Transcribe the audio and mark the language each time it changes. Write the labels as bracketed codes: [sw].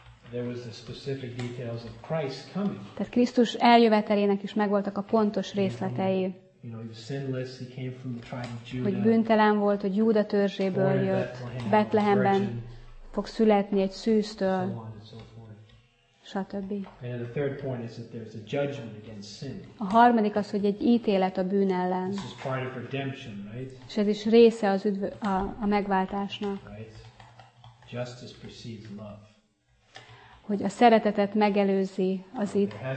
[en] There was the specific details of Christ coming. [hu] Tehát Krisztus eljövetelének is megvoltak a pontos részletei. [en] You know, he was sinless, he came from the tribe of Judah. [hu] Hogy bűntelen volt, hogy Júda törzséből jött, Betlehemben fog születni egy szűztől. [en] And the third point is that there's a judgment against sin. [hu] A harmadik az, hogy egy ítélet a bűn ellen. [en] This is part of redemption, right? [hu] És ez is része az a megváltásnak. [en] Right? Justice precedes love. [hu] Hogy a szeretetet megelőzi az itt.